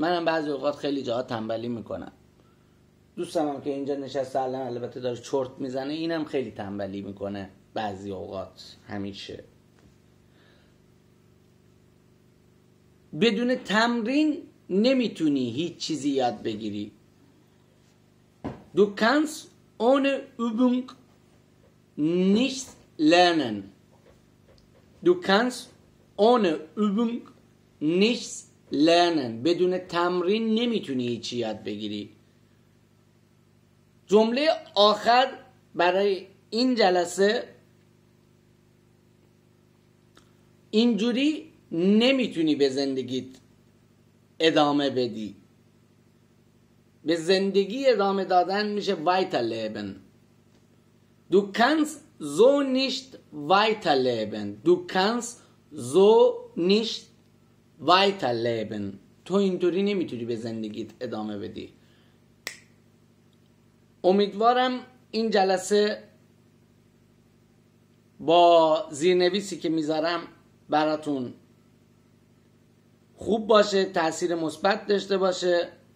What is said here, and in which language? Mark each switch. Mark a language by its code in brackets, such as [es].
[fa] منم بعضی اوقات خیلی جاها تنبلی میکنم. دوستم هم که اینجا نشسته الان البته داره چرت میزنه، اینم خیلی تنبلی میکنه بعضی اوقات، همیشه. بدون تمرین نمیتونی هیچ چیزی یاد بگیری. [de] Du kannst ohne Übung nicht lernen. Du kannst ohne Übung nicht lernen. [fa] بدون تمرین نمیتونی هیچ چیزی یاد بگیری. جمله آخر برای این جلسه اینجوری نمیتونی به زندگیت ادامه بدی. به زندگی ادامه دادن میشه weiterleben. [de] Du kannst so nicht weiterleben. Du kannst so nicht weiterleben. [fa] تو اینطوری نمیتونی به زندگیت ادامه بدی. امیدوارم این جلسه با زیرنویسی که میذارم براتون خوب باشه، تأثیر مثبت داشته باشه.